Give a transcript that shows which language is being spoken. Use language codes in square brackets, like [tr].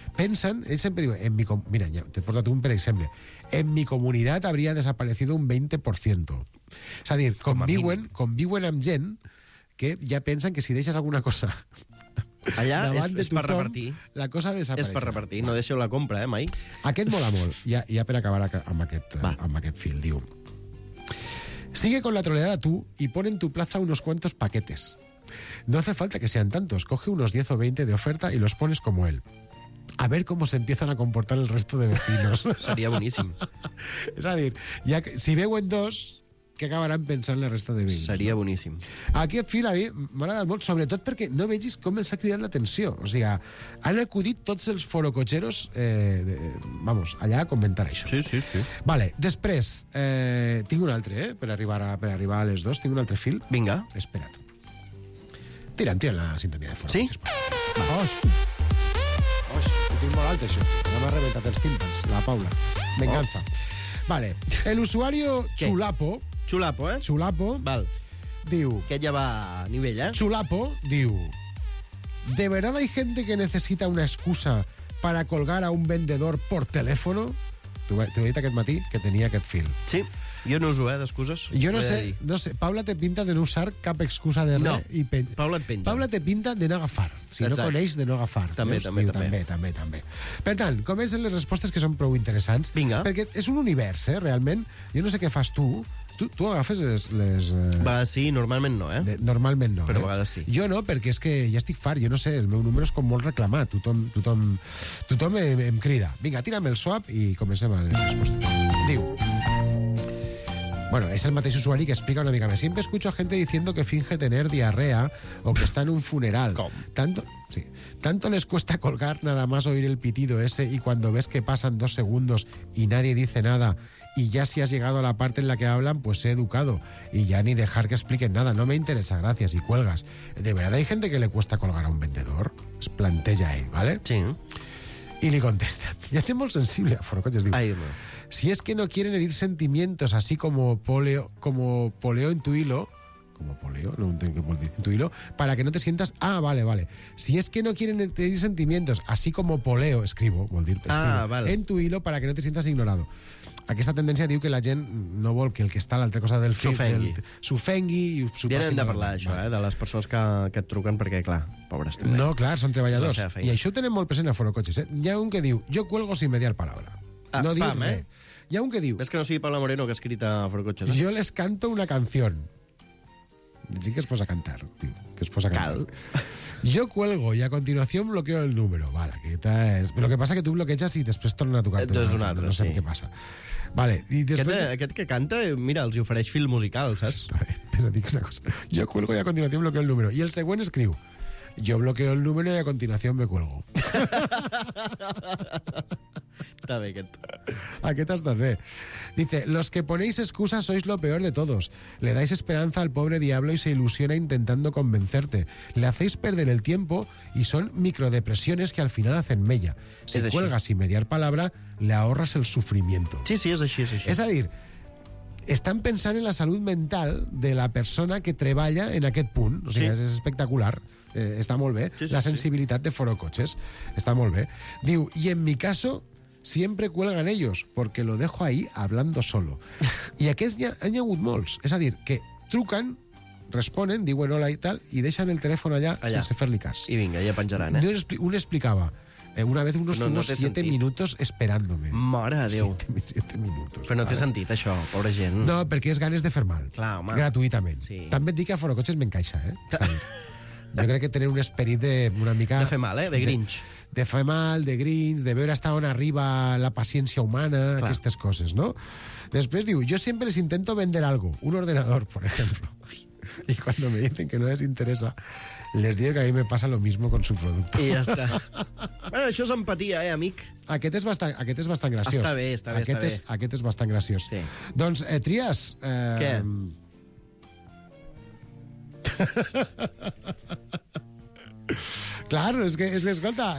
[ca] Pensen, ell sempre diu, en mi com... mira, ja, t'he portat un per exemple, [es] en mi comunitat habría desaparecido un 20%. [ca] És a dir, conviuen amb gent que ja pensen que si deixes alguna cosa allà és per repartir. La cosa desapareix. És per repartir, va. No deixeu la compra, mai. Aquest mola molt, ja per acabar amb aquest fil, diu... [es] Sigue con la troleada tú y pon en tu plaza unos cuantos paquetes. No hace falta que sean tantos. Coge unos 10 o 20 de oferta y los pones como él. a ver cómo se empiezan a comportar el resto de vecinos. Sería buenísimo. Es decir, ya que, si veo en dos, ¿qué [ca] acabaran pensant la resta de vins? Seria boníssim. Aquí et fila, a mi m'ha agradat molt, sobretot perquè no vegis com els ha cridat l'atenció. O sigui, han acudit tots els forocotxeros allà a comentar això. Sí, sí, sí. Vale, després, tinc un altre, per arribar a les dos. Tinc un altre fil. Vinga. Espera't. Tira'm la sintonia de forocotxeros. Sí? [es] Vamos. [ca] Oix, ho tinc molt alt, això. No m'ha rebentat els tímpans, la Paula. [es] Venganza. Oh. Vale, el usuario Chulapo... Chulapo, ¿eh? Chulapo. [ca] Val. Diu... [es] Que ya va a nivel, ¿eh? [ca] Chulapo, diu... [es] ¿De verdad hay gente que necesita una excusa para colgar a un vendedor por teléfono? [ca] Te he dit aquest matí que tenia aquest fil. Sí. Jo no uso, d'excuses. Jo no sé, Paula te pinta de no usar cap excusa de res. No, i Paula et pinta. Paula te pinta de no agafar. Si exacte. No coneix, de no agafar. També, no, també, diu, també, també. També, també. Per tant, comencen les respostes que són prou interessants. Vinga. Perquè és un univers, realment. Jo no sé què fas tu... Tu agafes les... A vegades sí, normalment no, eh? Normalment no. Però a vegades sí. Jo no, perquè és que ja estic fart. Jo no sé, el meu número és com molt reclamat. Tothom em crida. Vinga, tira'm el swap i comencem a la resposta. Diu... Bueno, es el mateix usuari que explica una mica més. [es] Siempre escucho a gente diciendo que finge tener diarrea o que está en un funeral. ¿Cómo? Tanto, sí, tanto les cuesta colgar nada más oír el pitido ese y cuando ves que pasan dos segundos y nadie dice nada y ya si has llegado a la parte en la que hablan, pues he educado y ya ni dejar que expliquen nada. No me interesa, gracias, y cuelgas. De verdad hay gente que le cuesta colgar a un vendedor. [ca] Es planteja ahí, ¿vale? Sí. [es] Y le contesta. Ya estoy muy sensible a forocotxeros, digo. Ahí va. Si es que no quieren herir sentimientos, así como poleo en tu hilo... ¿Como poleo? No tengo que poner en tu hilo. Para que no te sientas... Ah, vale, vale. Si es que no quieren herir sentimientos, así como poleo, escribo, [ca] vol dir, [es] escribo, ah, vale. En tu hilo para que no te sientas ignorado. [ca] Aquesta tendència diu que la gent no vol que el que està a l'altra cosa del fil... S'ofengui. S'ofengui i... Ja n'hem de parlar, això, vale. De les persones que et truquen, perquè, clar, pobres... També. No, clar, són treballadors. I això ho tenen molt present a forocotxes, eh? Hi ha un que diu, jo [es] cuelgo sin mediar palabra. [ca] No diu res. Hi ha un que diu... Ves que no sigui Paula Moreno, que ha escrit a forocotxes. Jo les canto una canción. La gent que es posa a cantar, tio. Que es posa a cantar. Cal. Jo cuelgo i a continuació bloqueo el número. Vale, aquesta és... Però el que passa que tu bloqueges i després torna a tocar. Tu és un altre, no sé sí. Què passa. Vale, i després... aquest que canta, mira, els ofereix fil musical, saps? Però dic una cosa. Jo cuelgo i a continuació bloqueo el número. I el següent escriu... Jo bloqueo el número i a continuació me cuelgo. [es] Está bien, aquest. [ca] Aquest has de fer. [es] Dice, los que ponéis excusas sois lo peor de todos. Le dais esperanza al pobre diablo y se ilusiona intentando convencerte. Le hacéis perder el tiempo y son microdepresiones que al final hacen mella. Si cuelgas sin mediar palabra, le ahorras el sufrimiento. Sí, sí, es así, es así. Es decir, están pensando en la salud mental de la persona que [ca] treballa en aquest punt. [es] O sea, sí. Es espectacular. Está muy bien. Sí, sí, la sensibilidad sí. De forocotxes. Está muy bien. Diu, y en mi caso... Siempre cuelgan ellos, porque lo dejo ahí hablando solo. [ca] I aquests ja han hagut molts. És a dir, que truquen, responen, diuen hola i tal, i deixen el telèfon allà. Sense fer-li cas. I vinga, ja penjaran, eh? Un explicava, [es] una vez uno estuvo 7 minutos esperándome. [ca] Mare de Déu. 7 minutos. Però no té sentit, això, pobra gent. No, perquè és ganes de fer mal. Clar, home. Gratuïtament. Sí. També et dic que a forocotxes m'encaixa, eh? Jo crec que tenen un esperit de una mica... De fer mal, de grinch. De fer mal, de grins, de veure hasta on arriba la paciència humana, clar. Aquestes coses, no? Després diu, jo sempre les [es] intento vender algo, un ordenador, por ejemplo. Y cuando me dicen que no les interesa, les digo que a mí me pasa lo mismo con su producto. Y ya está. [ca] Bueno, això és empatia, amic. Aquest és bastant graciós. Està bé, està bé. Aquest és bastant graciós. Sí. Doncs, Trias... Què? Claro, és que, escolta...